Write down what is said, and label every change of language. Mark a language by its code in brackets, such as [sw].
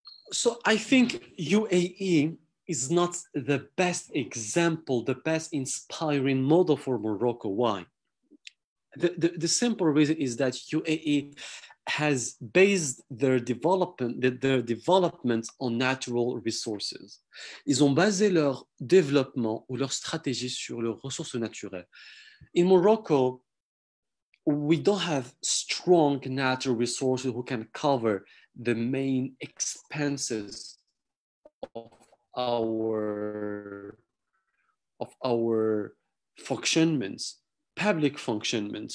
[en] So I think UAE is not the best example, the best inspiring model for Morocco. Why? The simple reason is that UAE has based their development on natural resources. [fr] Ils ont basé leur développement ou leur stratégie sur les ressources naturelles. [en] In Morocco, we don't have strong natural resources who can cover the main expenses of our functionments, public functionments.